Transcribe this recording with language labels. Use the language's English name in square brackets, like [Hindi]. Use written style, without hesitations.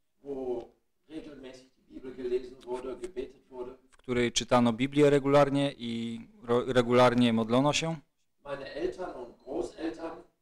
[German] wo regelmäßig die Bibel gelesen wurde, gebetet wurde. [Polish] W której czytano Biblię regularnie i regularnie modlono się. [German] Meine Eltern und Großeltern.